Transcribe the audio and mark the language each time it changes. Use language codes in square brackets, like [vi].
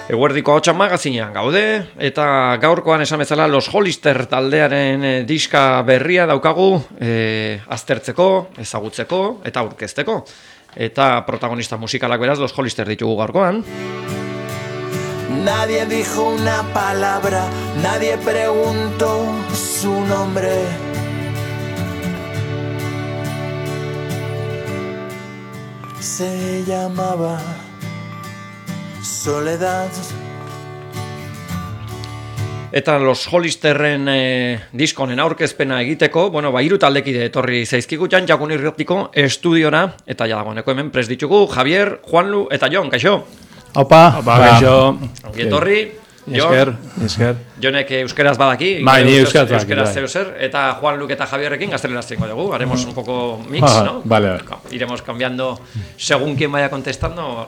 [eu] Eguerdiko Ahotsa magazinean gaude, eta gaurkoan esan bezala Los Hollister taldearen diska berria daukagu aztertzeko, ezagutzeko eta aurkezteko. Eta protagonista musikalak beraz Los Hollister ditugu gaurkoan. [es] Nadie dijo una palabra, nadie preguntó su nombre. Se llamaba Soledad. [eu] Eta Los Hollisterren diskonen aurkezpena egiteko, bueno, ba, hiru taldekide etorri zaizkigu jan, Jagun Irratiko estudiora, eta ja dagoeneko hemen prest ditugu, Javier, Juanlu eta Jon, kaixo? Opa, kaixo. Ongi etorri, Esker, esker. Jonek euskeraz badaki. Bai, ni euskeraz badaki. Euskeraz zeu zer. Eta Juanluk eta Javierrekin gazteleraz zingo dugu. [es] Haremos un poco mix, no? Vale. Iremos cambiando según quien vaya contestando.